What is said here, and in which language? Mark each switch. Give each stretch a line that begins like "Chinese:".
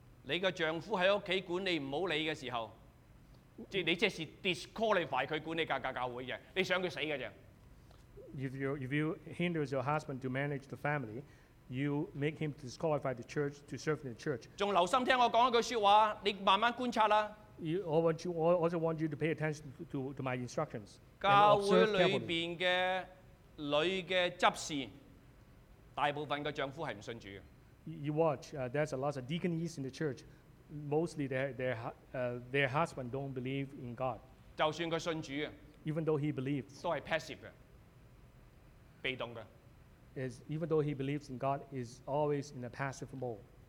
Cantonese: 你嘅丈夫喺屋企管你唔好理嘅時候，即係你即是 disqualify 佢管你教會嘅，你想佢死嘅啫。
English: If you hinder your husband to manage the family, you make him disqualify the church to serve in the church.
Cantonese: 仲留心聽我講一句説話，你慢慢觀察啦。
English: I also want you to pay attention to my instructions.
Cantonese: 教會裏邊嘅女嘅執事，大部分嘅丈夫係唔信主嘅。
English: You watch, there's a lot of deacons in the church. Mostly their husband don't believe in God.
Cantonese: 就算佢信主啊
English: ，even though he believes，
Cantonese: 都係 passive 嘅，被動嘅。
English: Is even though he believes in God, is always in a passive mode.